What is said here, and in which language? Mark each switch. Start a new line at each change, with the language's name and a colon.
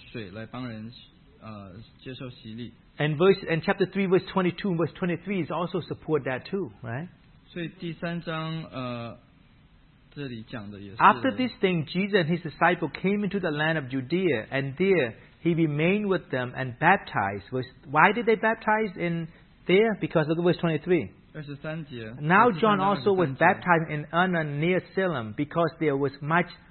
Chinese: 所以如果我们看洗礼本身的这个历史的话，他们洗礼帮人洗礼都是用水，就好像施洗约翰在这些经节里面都是用水来帮人接受洗礼。
English: And chapter 3, verse 22 and verse 23 is also support that too, right?
Chinese: 所以第三章，这里讲的也是。
English: After this thing, Jesus and his disciples came into the land of Judea, and there he remained with them and baptized. Why did they baptize in there? Because look at verse 23.
Chinese: 23节,
English: now John also was baptized in Anna near Salem, because there was much